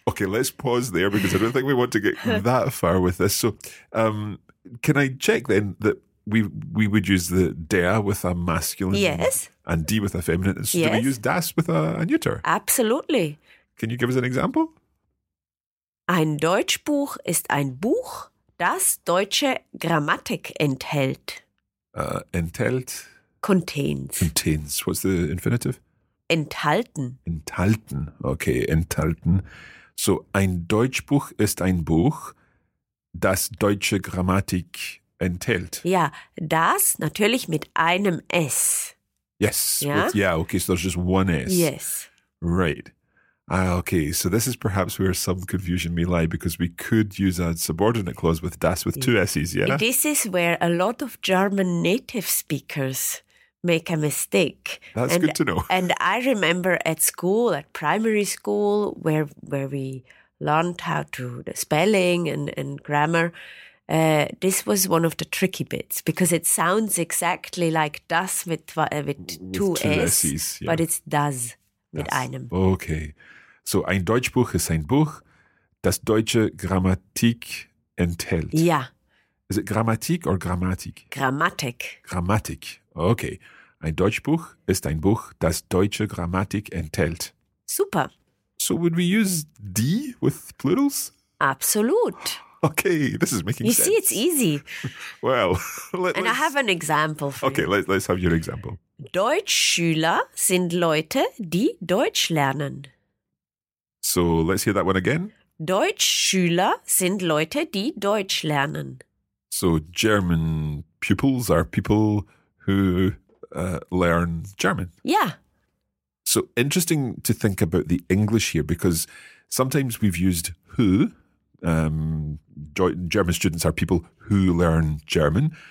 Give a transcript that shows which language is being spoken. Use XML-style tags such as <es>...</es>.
<en>Okay, let's pause there because I don't think we want to get that far with this. So can I check then that we would use the der with a masculine and die with a feminine? So do we use das with a neuter? Absolutely. Can you give us an example?</en> <de>Ein Deutschbuch ist ein Buch, das deutsche Grammatik enthält. enthält.</de> <en>Contains. Contains. What's the infinitive?</en> <de>Enthalten. Enthalten. Okay, enthalten. So, ein Deutschbuch ist ein Buch, das deutsche Grammatik enthält. Ja, das natürlich mit einem S.</de> <en>Yes. Ja? With, yeah, okay, so there's just one S. Yes. Right. Okay, so this is perhaps where some confusion may lie, because we could use a subordinate clause with das with two S's, yeah? This is where a lot of German native speakers make a mistake. That's good to know. And I remember at school, at primary school, where we learned how to the spelling and grammar, this was one of the tricky bits, because it sounds exactly like das with two S's, yeah. But it's das.</en> <de>Mit einem.</de> <en>Okay.</en> <de>So, ein Deutschbuch ist ein Buch, das deutsche Grammatik enthält. Ja.</de> <en>Is it Grammatik or Grammatik?</en> <de>Grammatik. Grammatik. Okay. Ein Deutschbuch ist ein Buch, das deutsche Grammatik enthält. Super.</de> <en>So, would we use die with plurals?</en> <de>Absolut.</de> <en>Okay, this is making you sense. You see, it's easy. Well, I have an example for okay, you. Okay, let's have your example.</en> <de>Deutschschüler sind Leute, die Deutsch lernen.</de> <en>So, let's hear that one again.</en> <de>Deutschschüler sind Leute, die Deutsch lernen.</de> <en>So, German pupils are people who learn German. Yeah. So, interesting to think about the English here, because sometimes we've used who. German students are people who learn German.</en>